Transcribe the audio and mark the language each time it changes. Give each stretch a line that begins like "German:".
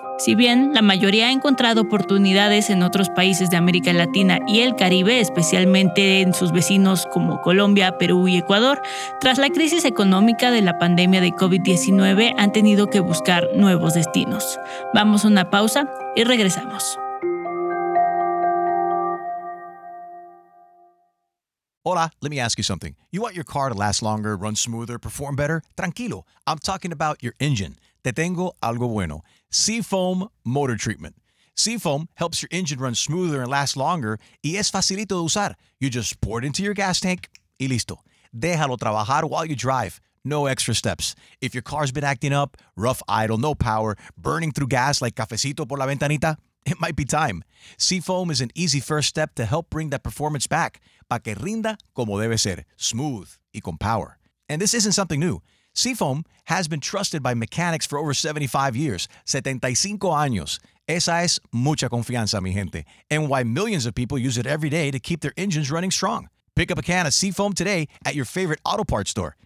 Spanish: Si bien la mayoría ha encontrado oportunidades en otros países de América Latina y el Caribe, especialmente en sus vecinos como Colombia, Perú y Ecuador, tras la crisis económica de la pandemia de COVID-19 han tenido que buscar nuevos destinos. Vamos a una pausa y regresamos.
English: Hola, let me ask you something. You want your car to last longer, run smoother, perform better?
Spanish: Tranquilo,
English: I'm talking about your engine.
Spanish: Te tengo algo bueno. Seafoam Motor Treatment.
English: Seafoam helps your engine run smoother and last longer,
Spanish: y es facilito de usar.
English: You just pour it into your gas tank,
Spanish: y listo. Déjalo trabajar
English: while you drive. No extra steps. If your car's been acting up, rough idle, no power, burning through gas like
Spanish: cafecito por la ventanita,
English: it might be time. Seafoam is an easy first step to help bring that performance back,
Spanish: pa que rinda como debe ser,
English: smooth
Spanish: y con
English: power. And this isn't something new. Seafoam has been trusted by mechanics for over 75 years.
Spanish: 75 años. Esa es mucha confianza, mi gente.
English: And why millions of people use it every day to keep their engines running strong. Pick up a can of Seafoam today at your favorite auto parts store.